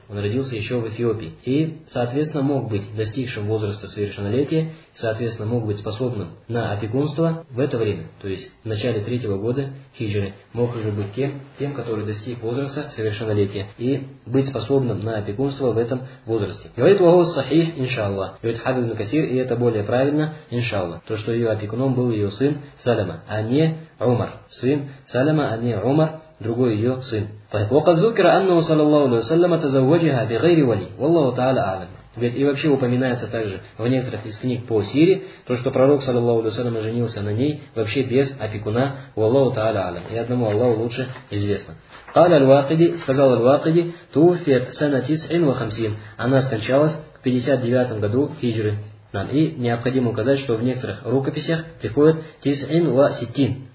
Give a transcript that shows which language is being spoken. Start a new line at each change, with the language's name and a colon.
Russian: Он родился еще в Эфиопии. И, соответственно, мог быть достигшим возраста совершеннолетия, соответственно, мог быть способным на опекунство в это время, то есть в начале третьего года хиджры, мог уже быть тем, который достиг возраста совершеннолетия, и быть способным на опекунство в этом возрасте. Говорит
Arabic: Вахуа Сахих, иншаллах.
Russian: Говорит Хафиз ибн Касир, и это более правильно, иншаллах. То, что ее опекуном был ее сын Салама, а не Умар. Сын Салама, а не Умар. Другой ее сын.
Arabic: وقد ذكر أنه صلى الله عليه وسلم تزوجها بغير ولي. والله تعالى أعلم.
Russian: Говорит, и вообще упоминается также в некоторых из книг по Сире, то, что пророк, саллаллаху алейхи ва саллям, женился на ней вообще без опекуна, валлаху тааля алям. И одному Аллаху лучше известно.
Arabic: Каля аль-Вакиди,
Russian: сказал аль-Вакиди,
Arabic: туфет сана тис'ин ва хамсин.
Russian: Она скончалась в 59 году хиджры. Нам и необходимо указать, что в некоторых рукописях приходит
Arabic: тис'ин ва ситин.